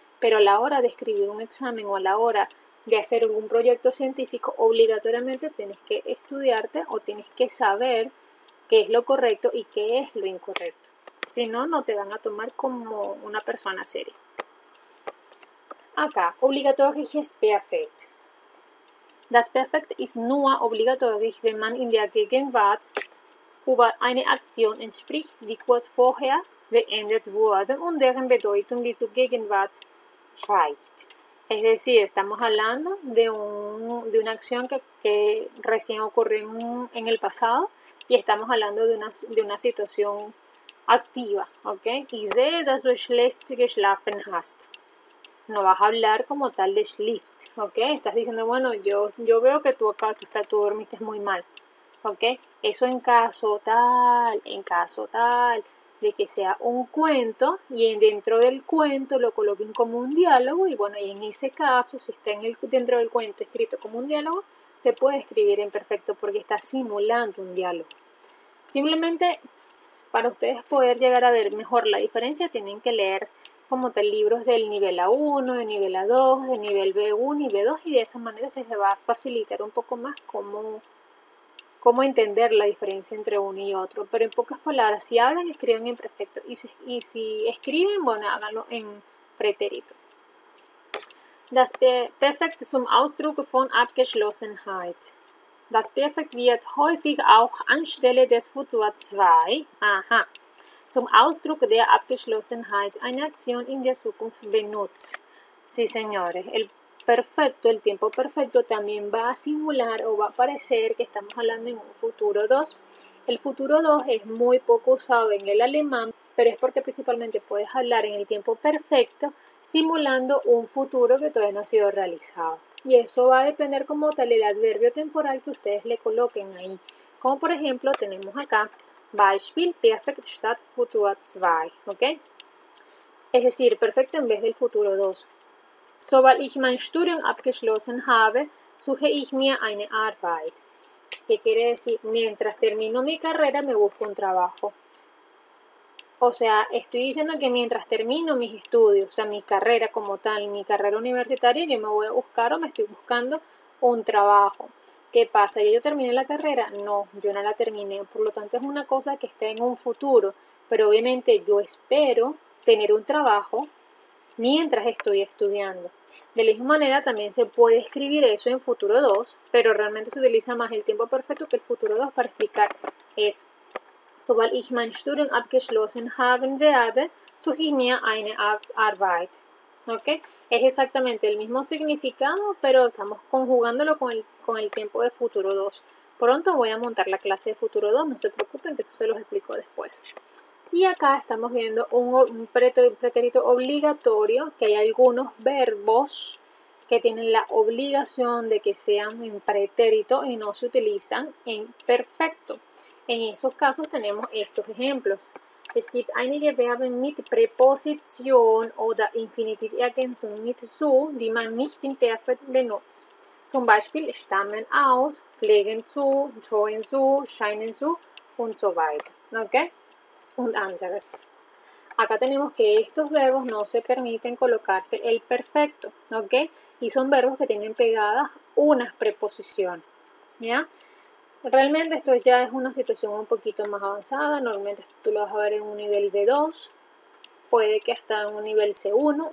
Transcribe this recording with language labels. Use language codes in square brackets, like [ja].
[es] Pero a la hora de escribir un examen o a la hora de hacer algún proyecto científico, obligatoriamente tienes que estudiarte o tienes que saber qué es lo correcto y qué es lo incorrecto. Si no, no te van a tomar como una persona seria. Acá, [de] obligatorisches Perfekt. Das Perfekt ist nur obligatorisch, wenn man in der Gegenwart über eine Aktion entspricht, die kurz vorher beendet wurde und deren Bedeutung bis zur Gegenwart reicht. [es] Es decir, estamos hablando de una acción que recién ocurrió en el pasado y estamos hablando de una situación activa, ¿ok? [de] Ich sehe, dass du schlecht geschlafen hast. [es] No vas a hablar como tal de [de] schlift, [es] ¿ok? Estás diciendo, bueno, yo veo que tú acá, tú dormiste muy mal, ¿ok? Eso en caso tal, de que sea un cuento, y dentro del cuento lo coloquen como un diálogo, y bueno, y en ese caso, si está dentro del cuento escrito como un diálogo, se puede escribir en perfecto, porque está simulando un diálogo. Simplemente, para ustedes poder llegar a ver mejor la diferencia, tienen que leer como tal libros del nivel A1, del nivel A2, del nivel B1 y B2, y de esa manera se les va a facilitar un poco más cómo entender la diferencia entre uno y otro. Pero en pocas palabras, si hablan, escriben en perfecto, y si escriben, bueno, háganlo en pretérito. [de] Das Perfekt zum Ausdruck von Abgeschlossenheit. Das Perfekt wird häufig auch anstelle des Futur 2. Aha. Zum Ausdruck der Abgeschlossenheit einer Aktion in der Zukunft benutzt. [es] Sí, señores, el tiempo perfecto también va a simular o va a parecer que estamos hablando en un futuro 2. El futuro 2 es muy poco usado en el alemán, pero es porque principalmente puedes hablar en el tiempo perfecto simulando un futuro que todavía no ha sido realizado. Y eso va a depender como tal el adverbio temporal que ustedes le coloquen ahí. Como por ejemplo tenemos acá, Beispiel, [de] Perfekt statt Futur 2, [es] ¿ok? es decir, perfecto en vez del futuro 2. [de] Sobald ich mein Studium abgeschlossen habe, suche ich mir eine Arbeit. [es] ¿Qué quiere decir? Mientras termino mi carrera, me busco un trabajo. O sea, estoy diciendo que mientras termino mis estudios, o sea, mi carrera como tal, mi carrera universitaria, yo me voy a buscar o me estoy buscando un trabajo. ¿Qué pasa? ¿Ya yo terminé la carrera? No, yo no la terminé. Por lo tanto, es una cosa que está en un futuro. Pero obviamente yo espero tener un trabajo mientras estoy estudiando. De la misma manera, también se puede escribir eso en futuro 2, pero realmente se utiliza más el tiempo perfecto que el futuro 2 para explicar eso. [de] Sobald ich mein Studium abgeschlossen haben werde, suche ich mir eine Arbeit. [es] ¿Okay? Es exactamente el mismo significado, pero estamos conjugándolo con el tiempo de futuro 2. Pronto voy a montar la clase de futuro 2, no se preocupen, que eso se los explico después. Y acá estamos viendo un pretérito obligatorio, que hay algunos verbos que tienen la obligación de que sean en pretérito y no se utilizan en perfecto. En esos casos tenemos estos ejemplos. [de] Es gibt einige Verben mit Präposition oder Infinitivergänzung mit zu, die man nicht im Perfekt benutzt. Zum Beispiel stammen aus, pflegen zu, treuen zu, scheinen zu und so weiter. Okay? Und anderes. [es] Acá tenemos que estos verbos no se permiten colocarse el perfecto, ¿ok? Y son verbos que tienen pegadas unas preposiciones, ¿ya? Realmente esto ya es una situación un poquito más avanzada. Normalmente tú lo vas a ver en un nivel B2, puede que hasta en un nivel C1.